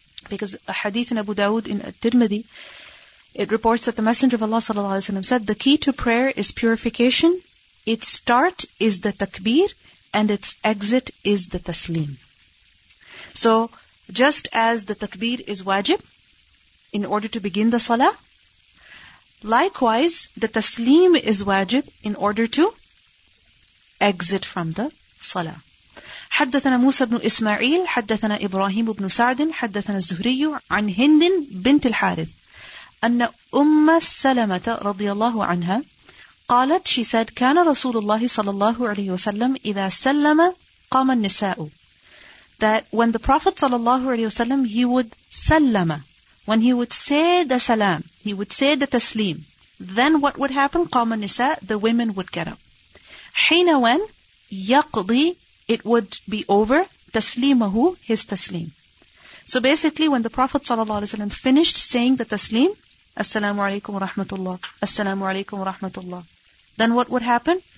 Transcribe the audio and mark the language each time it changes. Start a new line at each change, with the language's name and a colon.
English: Because a hadith in Abu Dawud in At-Tirmidhi, it reports that the Messenger of Allah ﷺ said, the key to prayer is purification, its start is the takbir, and its exit is the taslim. So, just as the takbir is wajib in order to begin the salah, likewise, the taslim is wajib in order to exit from the salah.
Arabic: حدثنا موسى بن إسماعيل حدثنا إبراهيم بن سعد حدثنا الزهري عن هند بنت الحارث أن أم سلمة رضي الله عنها قالت,
English: she said,
Arabic: كان رسول الله صلى الله عليه وسلم إذا سلم قام النساء.
English: That when the Prophet ﷺ, he would sallama, When he would say the salam, he would say the taslim, then what would happen?
Arabic: قَامَ النِّسَاء,
English: the women would get up.
Arabic: حِينَ وَنْ يَقْضِي,
English: it would be over,
Arabic: تَسْلِيمَهُ,
English: his taslim. So basically, when the Prophet ﷺ finished saying the taslim,
Arabic: السلام عليكم ورحمة الله, السلام عليكم ورحمة الله,
English: then what would happen?